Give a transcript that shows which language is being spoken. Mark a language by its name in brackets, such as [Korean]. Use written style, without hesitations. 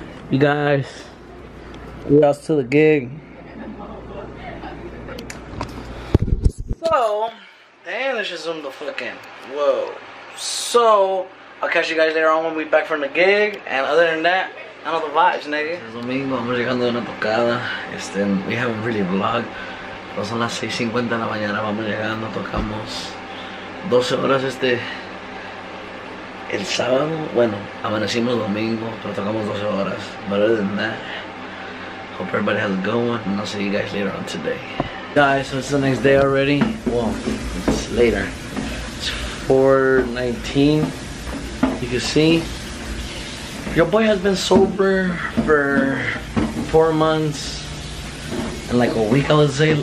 [English] You guys, we're out to the gig. So, damn, let's just zoom the fuck in. Whoa. So, I'll catch you guys later on when we back from the gig. And other than that, I know the vibes, nigga. [Spanish] Es domingo, vamos llegando de una tocada. [English] We haven't really vlogged. [Spanish] Son las 6:50 de la mañana, vamos llegando, tocamos 12 horas el sábado. Bueno, amanecimos domingo, pero tocamos 12 horas. [English] Better than that. Hope everybody has a good one, and I'll see you guys later on today. Guys, so it's the next day already. Well, it's later. It's 4:19. You can see, your boy has been sober for 4 months and like a week, I would say.